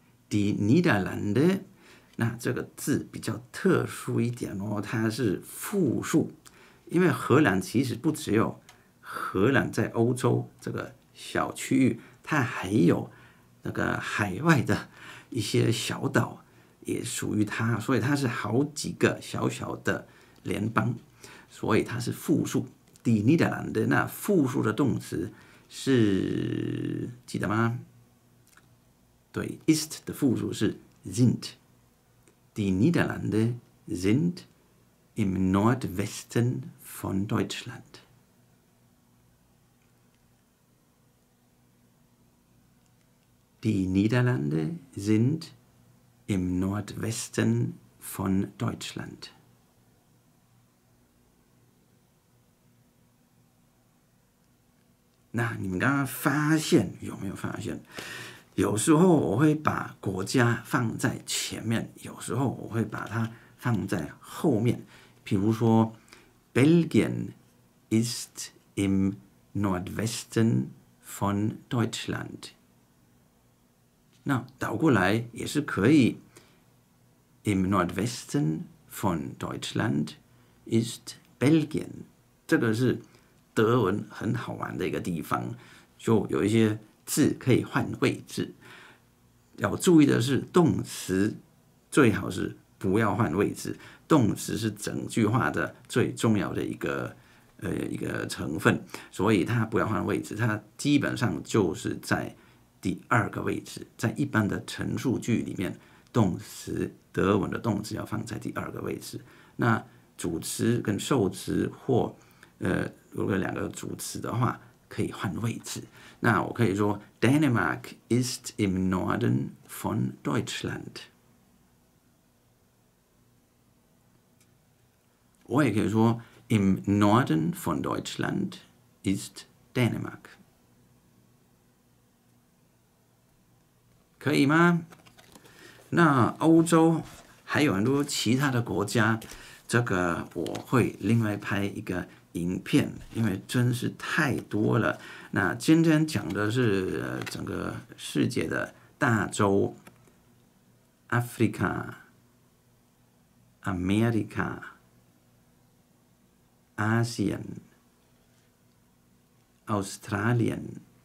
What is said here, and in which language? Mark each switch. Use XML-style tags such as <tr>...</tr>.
<zh>Die Niederlande。那这个字比较特殊一点哦，它是复数，因为荷兰其实不只有荷兰在欧洲这个小区域，它还有那个海外的一些小岛也属于它，所以它是好几个小小的联邦，所以它是复数 ，die Niederlande。那复数的动词是记得吗？对 ，ist 的复数是 sind。</zh> <de>Die Niederlande sind im Nordwesten von Deutschland. Die Niederlande sind im Nordwesten von Deutschland.</de> <zh>Na, 你们刚刚发现，有没有发现？有时候我会把国家放在前面，有时候我会把它放在后面。譬如说</zh> <de>，Belgien ist im Nordwesten von Deutschland。</de> <zh>那倒过来也是可以</zh> <de>，im Nordwesten von Deutschland ist Belgien。</de> <zh>这个是德文很好玩的一个地方，就有一些字可以换位置。要注意的是动词最好是不要换位置，动词是整句话的最重要的一个成分，所以它不要换位置，它基本上就是在第二个位置，在一般的陈述句里面，动词德文的动词要放在第二个位置，那主词跟受词或如果两个主词的话可以换位置，那我可以说</zh> <de>Dänemark ist im Norden von Deutschland。</de> <zh>我也可以说</zh> <de>im Norden von Deutschland ist Dänemark。</de> <zh>可以吗？那欧洲还有很多其他的国家，这个我会另外拍一个影片，因为真是太多了。那今天讲的是整个世界的大洲 Africa America ASEAN Australian</zh>